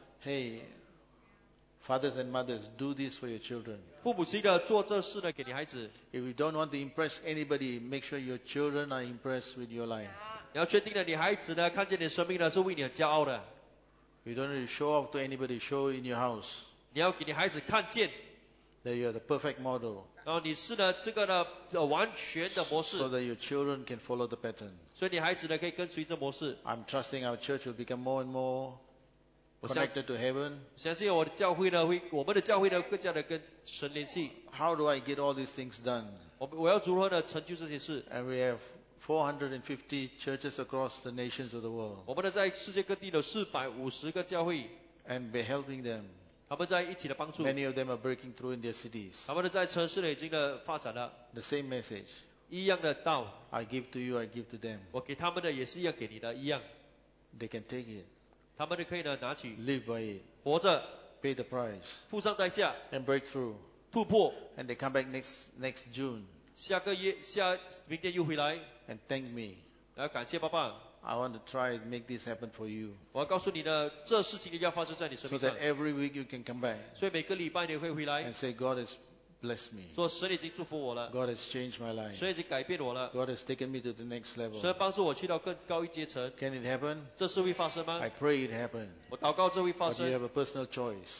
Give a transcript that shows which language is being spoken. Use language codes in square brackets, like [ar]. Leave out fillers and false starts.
[en] Hey, fathers and mothers, do this for your children. [zh] 父母亲的做这事呢给你孩子。 [en] If you don't want to impress anybody, make sure your children are impressed with your life. [zh] 你要确定的，你孩子呢，看见你的生命呢，是为你而骄傲的。 [en] You don't need to show off to anybody. Show in your house. [zh] 你要给你孩子看见。 [en] That you are the perfect model. [zh] 然后你是呢，这个呢，完全的模式。 [en] So that your children can follow the pattern. [zh] 所以你孩子呢，可以跟随这模式。 [en] I'm trusting our church will become more and more connected to heaven. [zh] 相信我的教会呢，会我们的教会呢，更加的跟神联系。 [en] How do I get all these things done? [zh] 我要如何的成就这些事 [en] ？And we have. 450 churches across the nations of the world. [zh] 我们在世界各地有450个教会。 [en] And be helping them. [zh] 他们在一起的帮助。 [en] Many of them are breaking through in their cities. [zh] 他们在城市里已经的发展了。 [en] The same message. [zh] 一样的道。 [en] I give to you, I give to them. [zh] 我给他们的也是一样给你的，一样。 [en] They can take it. [zh] 他们可以呢拿起。 [en] Live by it. [zh] 活着。 [en] Pay the price. [zh] 付上代价。 [en] And break through. [zh] 突破。 [en] And they come back next June. [zh] 下个月下明天又回来。 [en] And thank me. [zh] 来感谢爸爸。 [en] I want to try and make this happen for you. [zh] 我要告诉你呢，这事情要发生在你身上。 [en] So that every week you can come back. [zh] 所以每个礼拜你会回来。 [en] And say God has blessed me. [zh] 说神已经祝福我了。 [en] God has changed my life. [zh] 神已经改变我了。 [en] God has taken me to the next level. [zh] 神帮助我去到更高一阶层。 [en] Can it happen? [zh] 这事会发生吗 [en] ？I pray it happen. [zh] 我祷告这会发生。 [en] But you have a personal choice.